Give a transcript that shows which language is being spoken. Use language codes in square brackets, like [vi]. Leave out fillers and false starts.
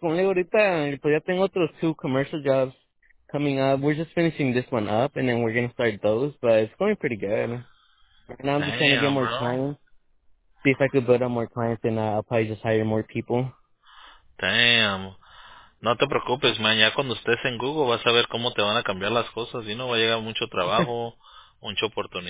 [es] Como le digo, ahorita pues ya tengo otros 2 [en] commercial jobs. Coming up, we're just finishing this one up, and then we're going to start those, but it's going pretty good. And I'm damn, just trying to get more clients, see if I could build up more clients, and I'll probably just hire more people. Damn. [es] No te preocupes, man. Ya cuando estés en Google, vas a ver cómo te van a cambiar las cosas, y no va a llegar mucho trabajo, mucha oportunidad.